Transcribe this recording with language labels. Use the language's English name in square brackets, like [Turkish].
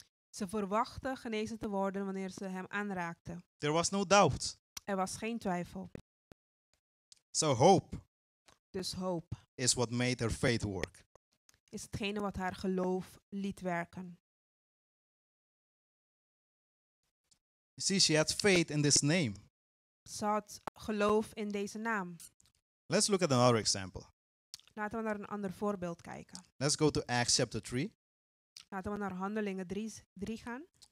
[Dutch] Ze verwachtte genezen te worden wanneer ze hem aanraakte. [English] There was no doubt. [Dutch] Er was geen twijfel. [English] So hope. [Dutch] Dus hoop. [English] Is what made her faith work. [Dutch] Is hetgene wat haar geloof liet werken. [English] You see, she had faith in this name. [Dutch] Ze had geloof in deze naam. [English] Let's look at another example. [Dutch] Laten we naar een ander voorbeeld kijken. [English] Let's go to Acts chapter 3. [Dutch] Laten we naar Handelingen 3 gaan.